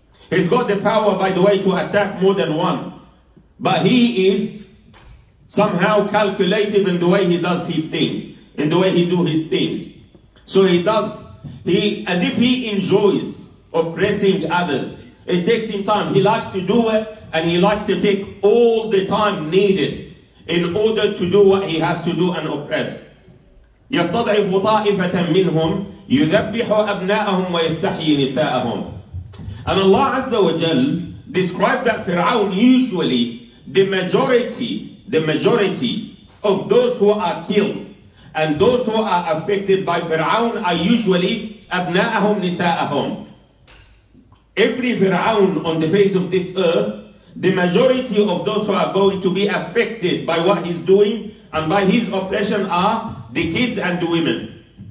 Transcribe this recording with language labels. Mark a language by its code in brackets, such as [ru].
[en] He's got the power, by the way, to attack more than one. But he is somehow calculative in the way he does his things, in the way he do his things. So he does, he as if he enjoys oppressing others. It takes him time. He likes to do it, and he likes to take all the time needed in order to do what he has to do and oppress. [ar] يستضعف طائفة منهم يذبح أبناءهم ويستحيي نساءهم. [en] And Allah Azza wa Jal described that Fir'aun, usually the majority of those who are killed and those who are affected by Fir'aun are usually أبناءهم نساءهم. Every Fir'aun on the face of this earth, the majority of those who are going to be affected by what he's doing and by his oppression are the kids and the women.